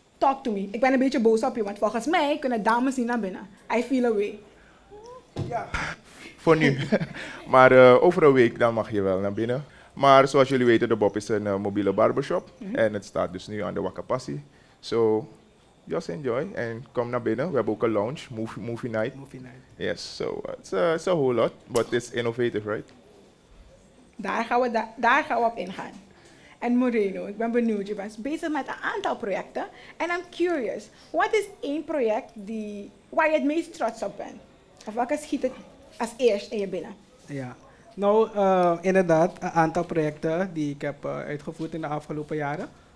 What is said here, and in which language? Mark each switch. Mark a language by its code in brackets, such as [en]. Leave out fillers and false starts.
[en] Talk to me. [nl] Ik ben een beetje boos op je, want volgens mij kunnen dames niet naar binnen. [en] I feel a way. [nl] Ja. Voor nu. Maar over een week dan mag je wel naar binnen. Maar zoals jullie weten, de Bob is een mobiele barbershop. Mm-hmm. En het staat dus nu aan de Wakapassi. [en] So, just enjoy [nl] en kom naar binnen. We hebben ook een lounge, movie night. Movie night. [en] Yes, so it's a whole lot, but it's innovative, right? [nl] Daar gaan we op ingaan. En Moreno, ik ben benieuwd. Je bent bezig met een aantal projecten. En [en] I'm curious, [nl] wat is één project waar je het meest trots op bent? Of welke schiet het als eerst in je binnen? Ja, nou inderdaad, een aantal projecten die ik heb uitgevoerd in de afgelopen jaren.